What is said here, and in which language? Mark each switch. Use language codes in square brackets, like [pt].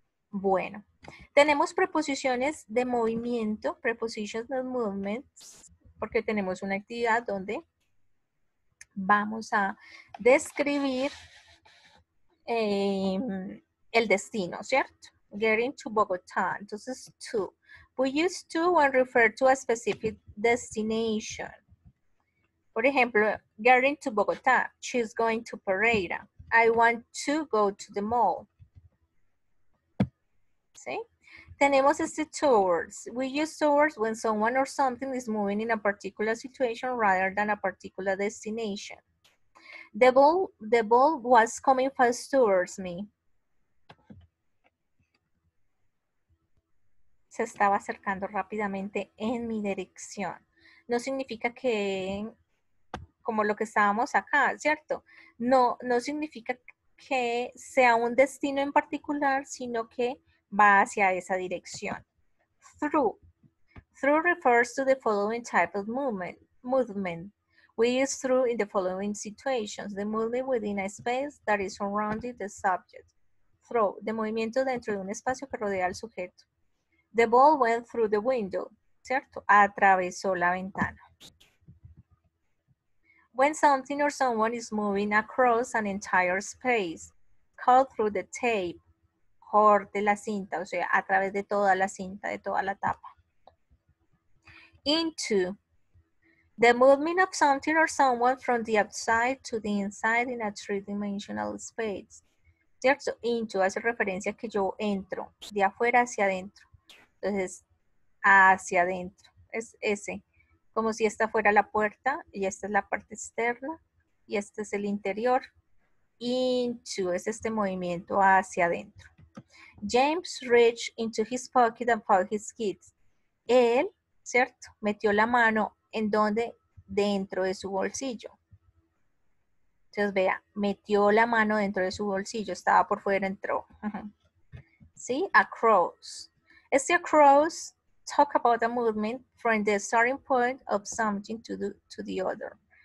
[es] Bueno, tenemos preposiciones de movimiento, [en] prepositions of movements, [es] porque tenemos una actividad donde vamos a describir el destino, ¿cierto? [en] Getting to Bogotá. Entonces, to. We use to when refer to a specific destination. [es] Por ejemplo, [en] getting to Bogotá. She's going to Pereira. I want to go to the mall. ¿Sí? [es] Tenemos este towards. [en] We use towards when someone or something is moving in a particular situation rather than a particular destination. The ball was coming fast towards me. [es] Se estaba acercando rápidamente en mi dirección. No significa que, como lo que estábamos acá, ¿cierto? No significa que sea un destino en particular, sino que va hacia esa dirección. [en] Through. Through refers to the following type of movement. We use through in the following situations. The movement within a space that is surrounding the subject. [es] Through. The movimiento dentro de un espacio que rodea al sujeto. [en] The ball went through the window, [es] ¿cierto? Atravesó la ventana. [en] When something or someone is moving across an entire space, cut through the tape, [es] corte la cinta, o sea, a través de toda la cinta, de toda la tapa. [en] Into, the movement of something or someone from the outside to the inside in a three-dimensional space, ¿cierto? [es] Into hace referencia a que yo entro de afuera hacia adentro. Entonces, hacia adentro. Es ese. Como si esta fuera la puerta y esta es la parte externa y este es el interior. Into es este movimiento hacia adentro. [en] James reached into his pocket and found his keys. [es] Él, ¿cierto? Metió la mano en donde, dentro de su bolsillo. Entonces, vea, metió la mano dentro de su bolsillo. Estaba por fuera, entró. ¿Sí? Across. [en] Este across talk about a movement from the starting point of something to the other.